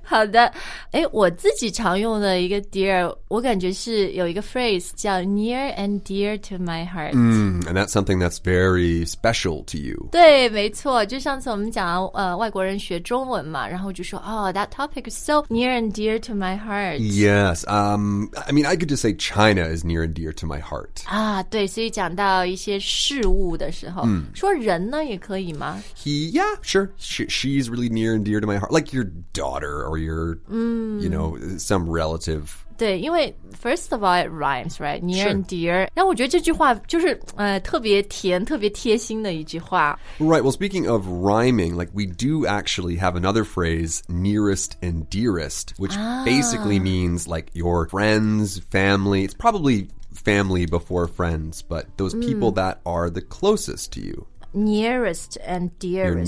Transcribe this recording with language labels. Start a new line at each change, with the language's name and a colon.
Chinese: 好的。我自己常用的一个 Dear, 我感觉是有一个 phrase 叫 Near and Dear to my heart.
English: And that's something that's very special to you.
Chinese: 对，没错。就上次我们讲外国人学中文嘛，然后就说 that topic is so near and dear to my heart. heart.
English: Yes. I mean, I could just say China is near and dear to my heart.
Chinese: 啊，对，所以讲到一些事物的时候，说人呢也可以吗？
English: Yeah, sure. She's really near and dear to my heart. Like your daughter or your, you know, some relative. 对，因为 first of all, it rhymes, right? Near and dear.
Chinese: 然后我觉得这句话就是特别甜，特别贴心的一句话。
English: Right, well, speaking of rhyming, like we do actually have another phrase, nearest and dearest, which basically means like your friends, family. It's probably family before friends, but those people that are the closest to you. Nearest and dearest.